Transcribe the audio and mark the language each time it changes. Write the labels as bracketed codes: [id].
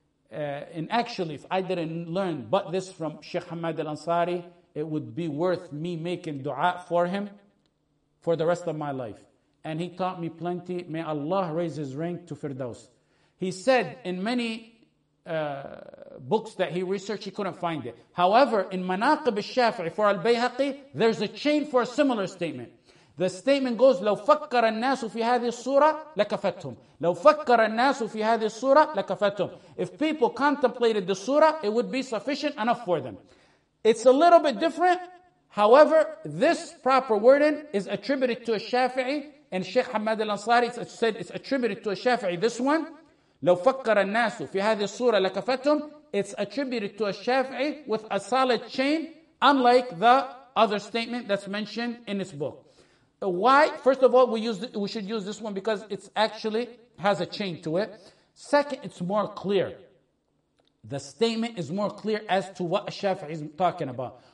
[en] And actually, if I didn't learn but this from Sheikh Hamad al-Ansari, it would be worth me making dua for him for the rest of my life. And he taught me plenty. May Allah raise his rank to Firdaus. He said in many books that he researched, he couldn't find it. However, in Manaqib al-Shafi'i for al-Bayhaqi, there's a chain for a similar statement. The statement goes, [ar] لو فكر الناس في هذه الصورة لكفتهم. لو فكر الناس في هذه الصورة لكفتهم. [en] If people contemplated the surah, it would be sufficient enough for them. It's a little bit different. However, this proper wording is attributed to al-Shafi'i. And Sheikh Hamad al-Ansari said it's attributed to al-Shafi'i, this one. [ar] لو فكر الناس في هذه الصورة لكفتهم. [en] It's attributed to al-Shafi'i with a solid chain, unlike the other statement that's mentioned in his book. Why? First of all, we should use this one because it's actually has a chain to it. Second, it's more clear. The statement is more clear as to what Shafi'i is talking about.